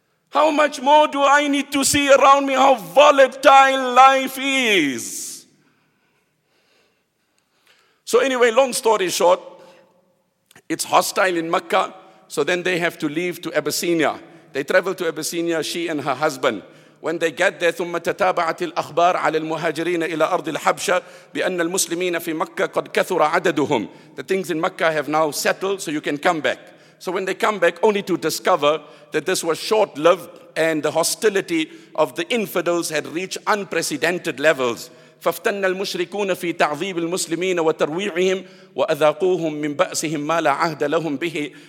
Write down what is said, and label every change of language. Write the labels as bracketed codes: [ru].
[en] How much more do I need to see around me how volatile life is? So anyway, long story short, it's hostile in Mecca. So then they have to leave to Abyssinia. They travel to Abyssinia, she and her husband. When they get there, [ar] ثم تتابعت الأخبار على المهاجرين إلى أرض الحبشة بأن المسلمين في مكة قد كثر عددهم. [en] The things in Mecca have now settled, so you can come back. So when they come back, only to discover that this was short-lived and the hostility of the infidels had reached unprecedented levels. [ar] ففتن المشركون في تعذيب المسلمين وترويعهم وأذاقوهم من بأسهم ما لا عهد لهم به.